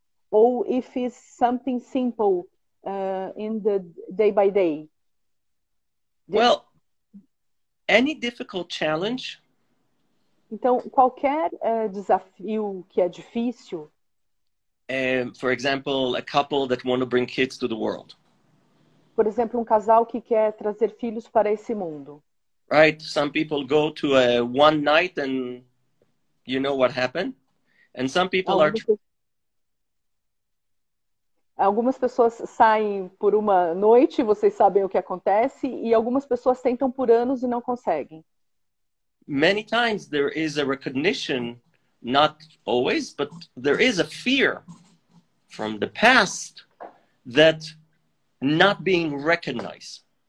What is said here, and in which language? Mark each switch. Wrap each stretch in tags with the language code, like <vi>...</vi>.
<en>Or if it's something simple in the day by day. Well, any difficult challenge.</en> <pt>Então, qualquer desafio que é difícil.</pt> <en>For example, a couple that want to bring kids to the world.</en> <pt>Por exemplo, um casal que quer trazer filhos para esse mundo.</pt> <en>Right? Some people go to a one night and you know what happened. And some people are.</en> <pt>Algumas pessoas saem por uma noite, vocês sabem o que acontece, e algumas pessoas tentam por anos e não conseguem.</pt> <en>Many times there is a recognition, not always, but there is a fear from the past that not being recognized.</en>